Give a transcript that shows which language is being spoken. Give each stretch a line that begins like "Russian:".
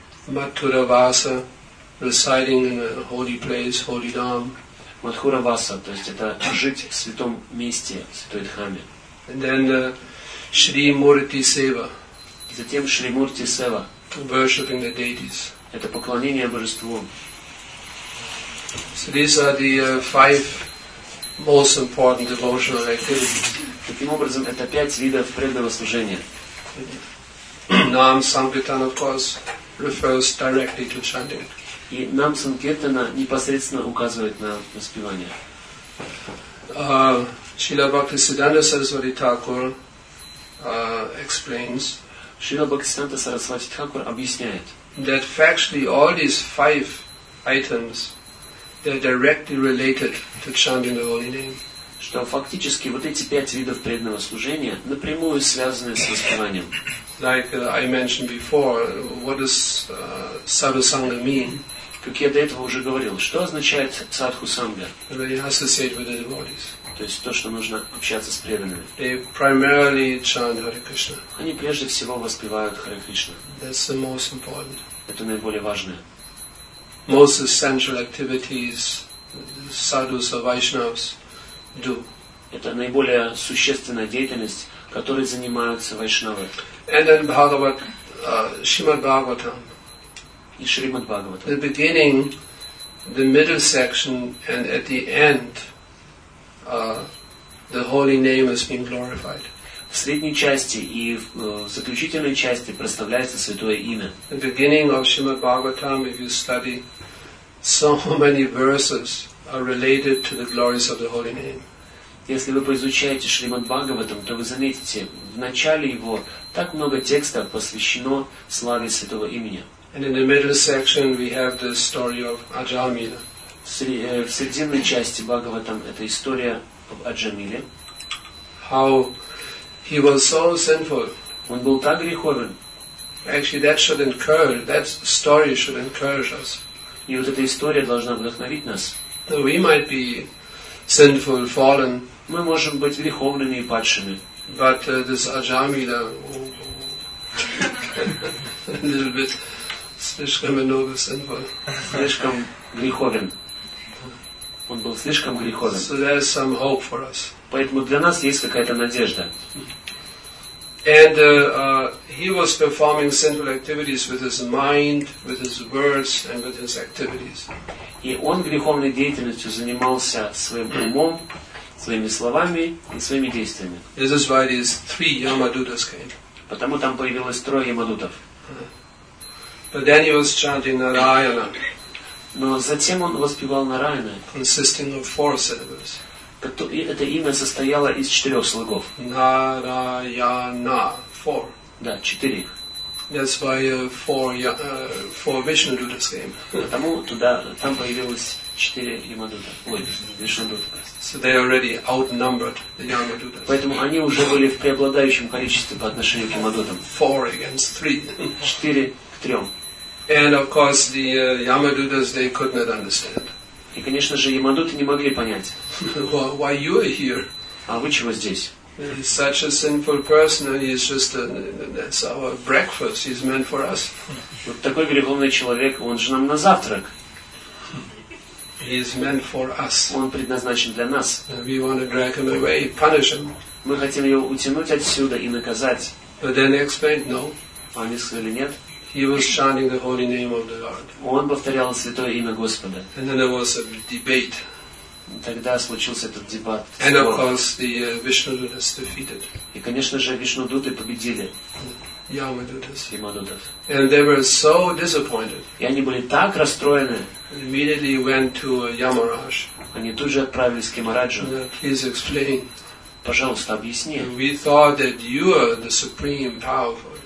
English: Матхура Васа, residing in a holy place, holy dham.
Russian: Матхура Васа, то есть это жить в святом месте, в святой дхаме.
English: And then Шри Мурти Сева.
Russian: Затем Шри Мурти Сева.
English: Worshipping the deities.
Russian: Это поклонение божеству.
English: So these are the five most important devotional activities.
Russian: Таким образом, это пять видов преданного служения.
English: Нам Санкиртан, of course, refers directly to chanting.
Russian: И Нам Санкиртана непосредственно указывает на воспевание.
English: Шрила Бхактисиддханта Сарасвати Тхакур explains.
Russian: Шрила Бхактисиддханта Сарасвати Тхакур объясняет.
English: That factually all these five items, they're directly related to chanting the holy name.
Russian: Что фактически вот эти пять видов преданного служения напрямую связаны с воспеванием.
English: Like I mentioned before, what does Sadhu Sangha mean?
Russian: Как я до этого уже говорил, что означает Садху Санга?
English: They associate with the devotees.
Russian: То есть то, что нужно общаться с преданными.
English: They primarily chant Hare Krishna.
Russian: Они прежде всего воспевают Харе Кришна.
English: That's the most important.
Russian: Это наиболее важное.
English: Most essential activities sadhus or Vaishnavas do.
Russian: Это наиболее существенная деятельность, которой занимаются вайшнавы.
English: And then Bhagavat, Shrimad Bhagavatam.
Russian: И Шримад Бхагаватам.
English: The beginning, the middle section, and at the end. The holy name has been glorified.
Russian: В средней части и в заключительной части представляется святое имя.
English: The beginning of Srimad Bhagavatam, if you study, so many verses are related to the glories of the holy name.
Russian: Если вы поизучаете Шримад Бхагаватам, то вы заметите, в начале его так много текста посвящено славе святого имени.
English: And in the middle section we have the story of Ajamila.
Russian: В серединной части Бхагаватам это история об Аджамиле.
English: How he was so sinful.
Russian: Он был так греховен.
English: Actually, that should encourage. That story should encourage us.
Russian: И вот эта история должна вдохновить нас.
English: So we might be sinful, fallen.
Russian: Мы можем быть греховными и падшими.
English: But this Аджамила. little bit
Russian: слишком
English: innovative, sinful.
Russian: Слишком греховен. Он был слишком греховен.
English: So there is some hope for us.
Russian: Поэтому для нас есть какая-то надежда.
English: And he was performing sinful activities with his mind, with his words, and with his activities.
Russian: И он греховной деятельностью занимался своим умом, своими словами и своими действиями.
English: This is why these three Yamadutas came.
Russian: Потому там появилось трое Ямадутов.
English: But then he was chanting Narayana.
Russian: Но затем он воспевал Нараяна.
English: Consisting of four syllables.
Russian: Это имя состояло из четырех слогов.
English: Narayana. Four.
Russian: Да, четырех.
English: That's why four Vishnu Dutas came.
Russian: Потому туда, там появилось четыре Ямадута. Ой, Вишну Дута.
English: So they already outnumbered the Yamadutas.
Russian: Поэтому они уже были в преобладающем количестве по отношению к Ямадутам.
English: Four against three.
Russian: Четыре к трем.
English: And of course the Yamadutas, they could not understand.
Russian: И, конечно же, Ямадуты не могли понять.
English: Why you are here?
Russian: А вы чего здесь?
English: He's such a sinful person, and he's just that's our breakfast. He's meant for us.
Russian: Вот такой греховный человек, он же нам на завтрак.
English: He's meant for us.
Russian: Он предназначен для нас.
English: We want to drag him away, punish him.
Russian: Мы хотим его утянуть отсюда и наказать.
English: But then they explained, no.
Russian: Они сказали нет.
English: He was chanting the holy name of the Lord.
Russian: Он повторял святое имя Господа.
English: And then there was a debate.
Russian: Тогда случился этот дебат.
English: And of course the Vishnu Dutas defeated.
Russian: И, конечно же, Вишну Дуты победили.
English: Yamadutas.
Russian: Ямадутов.
English: And they were so disappointed.
Russian: И они были так расстроены.
English: And immediately went to Yamaraj.
Russian: Они тут же отправились к Ямараджу.
English: Please explain.
Russian: Пожалуйста, объясни.
English: We thought that you are the supreme powerful.